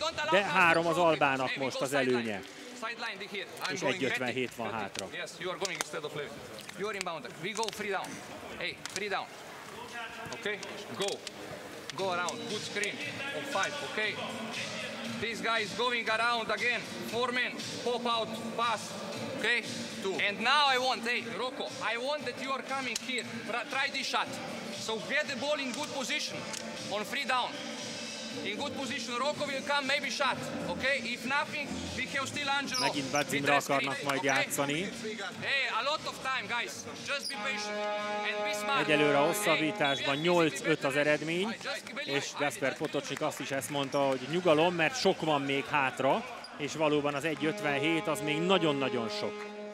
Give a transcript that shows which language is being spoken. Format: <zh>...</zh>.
<hu>De három az Albának most az előnye. És 1.57 van hátra.</hu> <en>Yes, you are going instead of Levy. You are inbound. We go free down. Hey, free down. Okay, go. Go around. Good screen. On five, okay? This guy is going around again. Four men. Pop out. Pass. Okay? Two. And now I want, hey, Rocco, I want that you are coming here. Try this shot. So get the ball in good position. On free down. In good position, Rocco will come, maybe shot. Okay, if nothing, we can still Angelo.</en> <hu>Megint Badzinra akarnak majd játszani.</hu> <en>Hey, a lot of time, guys. Just be patient and be smart.</en> <hu>Egyelőre a hosszabbításban 8-5 az eredmény, és Gasper Potocsik azt is ezt mondta, hogy nyugalom, mert sok van még hátra, és valóban az 1.57 az még nagyon-nagyon sok.</hu>